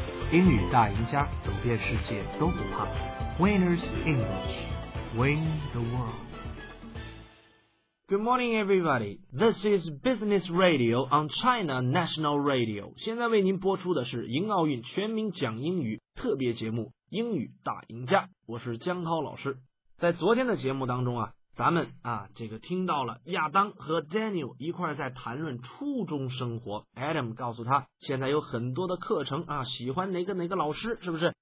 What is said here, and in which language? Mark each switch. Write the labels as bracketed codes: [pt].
[zh] 英语大赢家，走遍世界都不怕。 [en] Winners English Win the World. Good morning, everybody. This is Business Radio on China National Radio. [zh] 现在为您播出的是迎奥运全民讲英语特别节目《英语大赢家》，我是江涛老师。在昨天的节目当中啊，咱们啊这个听到了亚当和 Daniel 一块在谈论初中生活。 Adam 告诉他现在有很多的课程啊，喜欢哪个哪个老师，是不是？